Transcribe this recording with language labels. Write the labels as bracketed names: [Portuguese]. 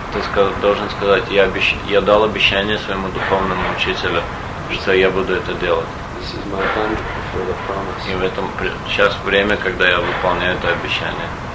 [Russian] Ты должен сказать, я дал обещание своему духовному учителю, что я буду это делать. [English] This is my time to fulfill the promise. [Russian] И в этом сейчас время, когда я выполняю это обещание.